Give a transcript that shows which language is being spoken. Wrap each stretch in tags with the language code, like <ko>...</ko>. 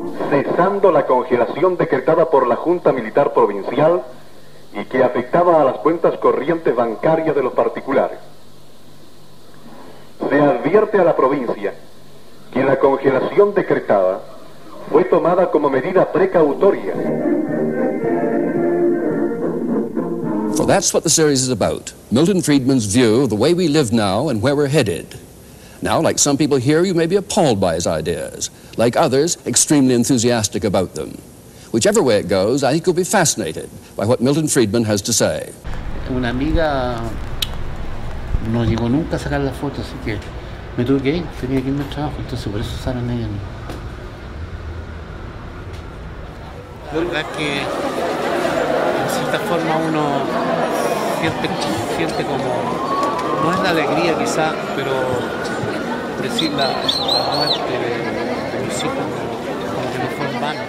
<es>Cesando la congelación decretada por la Junta Militar Provincial y que afectaba a las cuentas corrientes bancarias de los particulares. Se advierte a la provincia que la congelación decretada fue tomada como medida precautoria.</es> <en>For that's what the series is about. Milton Friedman's view of the way we live now and where we're headed. Now, like some people here, you may be appalled by his ideas. Like others, extremely enthusiastic about them. Whichever way it goes, I think you'll be fascinated by what Milton Friedman has to say.</en> <es>Una amiga no llegó nunca a sacar las fotos, así que me tuve que ir. Tenía que irme al trabajo, entonces por eso usaron ella. La verdad es que, en cierta forma, uno siente como, no es la alegría quizá, pero decir la muerte de mis hijos como que no fue en vano.</es>